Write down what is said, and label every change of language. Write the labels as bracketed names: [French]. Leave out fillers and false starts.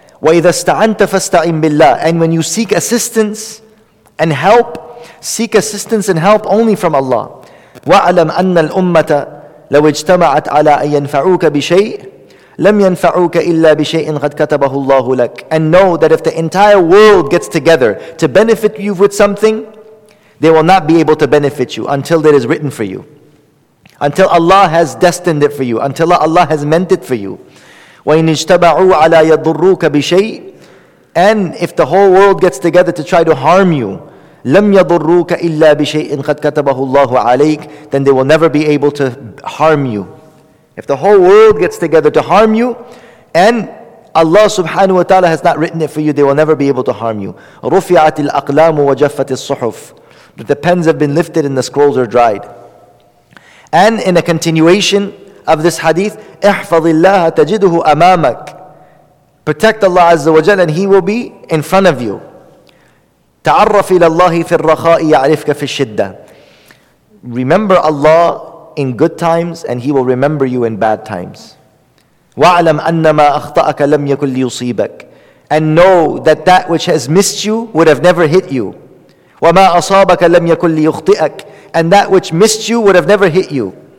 [Arabic] وإذا استعنت فاستعن بالله. [English] And when you seek assistance and help, seek assistance and help only from Allah. [Arabic] وَعْلَمْ أَنَّ الْأُمَّةَ لو اجتمعت على أن ينفعوك بشيء لم ينفعوك إلا بشيء قد كتبه الله لك. [English] And know that if the entire world gets together to benefit you with something, they will not be able to benefit you until it is written for you, until Allah has destined it for you, until Allah has meant it for you. [Arabic] وَإِنْ اجْتَبَعُوا عَلَى يَضُرُّوكَ بِشَيْءٍ. [English] And if the whole world gets together to try to harm you, [Arabic] لَمْ يَضُرُّوكَ إِلَّا بِشَيْءٍ قَدْ كَتَبَهُ اللَّهُ عَلَيْكَ, [English] then they will never be able to harm you. If the whole world gets together to harm you, and Allah subhanahu wa ta'ala has not written it for you, they will never be able to harm you. [Arabic] رُفِعَتِ الْأَقْلَامُ وَجَفَّتِ الصُّحُفِ. [English] But the pens have been lifted and the scrolls are dried. And in a continuation of this hadith, [Arabic] احفظ الله تجده أمامك. [English] Protect Allah Azza wa Jalla and He will be in front of you. [Arabic] تعرف إلى الله في الرخاء يعرفك في الشدة. [English] Remember Allah in good times and He will remember you in bad times. [Arabic] وعلم أن ما أخطأك لم يكن ليصيبك. [English] And know that that which has missed you would have never hit you. [Arabic] وما أصابك لم يكن ليخطئك. [English] And that which missed you would have never hit you.